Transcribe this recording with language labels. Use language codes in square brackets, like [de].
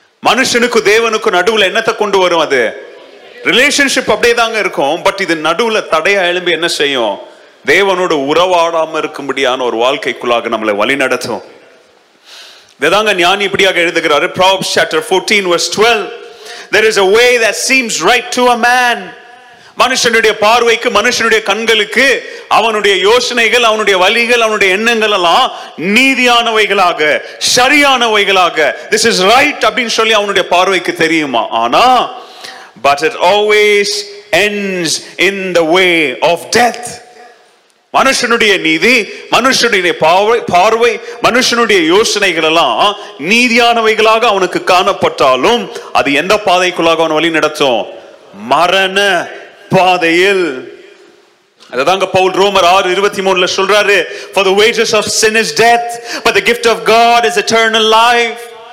[ta] மனுஷனுக்கும் தேவனுக்கும் நடுவில் என்னத்தை கொண்டு வரும், அது ரிலேஷன்ஷிப் அப்படியே தாங்க இருக்கும். பட் இது நடுவில் தடையா எழும்பி என்ன செய்யும், தேவனோட உறவாடாம இருக்கும்படியான ஒரு வாழ்க்கைக்குள்ளாக நம்மளை வழி நடத்தும். இதுதாங்க ஞானி இப்படியாக எழுதுகிறாரு, [en] Proverbs chapter 14 verse 12. There is a way that seems right to a man. [ta] மனுஷனுடைய பார்வைக்கு, மனுஷனுடைய கண்களுக்கு அவனுடைய யோசனைகள், அவனுடைய வழிகள், அவனுடைய எண்ணங்கள் எல்லாம் நீதியானவைகளாக, சரியானவைகளாக, [en] this is right [ta] அப்படின்னு சொல்லி அவனுடைய பார்வைக்கு தெரியுமா. ஆனா [en] but it always ends in the way of death. [ta] மனுஷனுடைய நீதி, மனுஷனுடைய பார்வை, மனுஷனுடைய யோசனைகள் எல்லாம் நீதியானவைகளாக அவனுக்கு காணப்பட்டாலும் அது எந்த பாதைக்குள்ளாக அவன் வழி நடத்தும், மரண பாதையில். அதுதாங்க பவுல் ரோமர் 6:23 சொல்றாரு, [en] For the wages of sin is death, but the gift of God is eternal life.